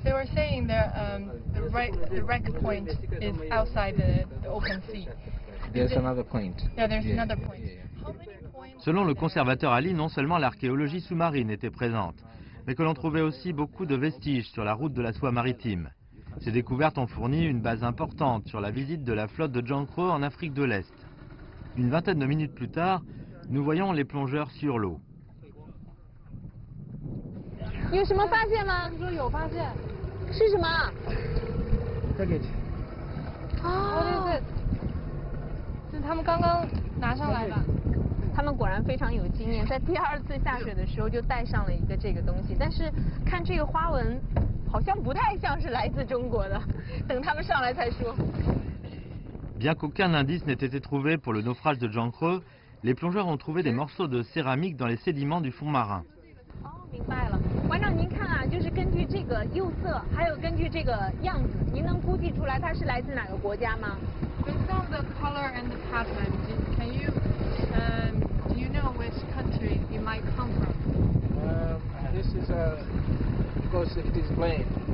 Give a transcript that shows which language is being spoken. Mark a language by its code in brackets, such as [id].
[en] they were saying that the wreck point is outside the open sea. There's another point. Yeah, there's another point. [fr] Selon le conservateur Ali, non seulement l'archéologie sous-marine était présente, mais que l'on trouvait aussi beaucoup de vestiges sur la route de la soie maritime. Ces découvertes ont fourni une base importante sur la visite de la flotte de Zheng He en Afrique de l'Est. Une vingtaine de minutes plus tard, nous voyons les plongeurs sur l'eau. Oh. [zh] 他们果然非常有经验，在第二次下水的时候就带上了一个这个东西，但是看这个花纹好像不太像是来自中国的，等他们上来才说。 [fr] Bien qu'aucun indice n'ait été trouvé pour le naufrage de Zhang He, les plongeurs ont trouvé des morceaux de céramique dans les sédiments du fond marin. [zh] 明白了，馆长您看啊，就是根据这个釉色，还有根据这个样子，您能估计出来它是来自哪个国家吗？ [en] Based on the color and the pattern, can you, do you know which country it might come from? This is a, of course, it is plain.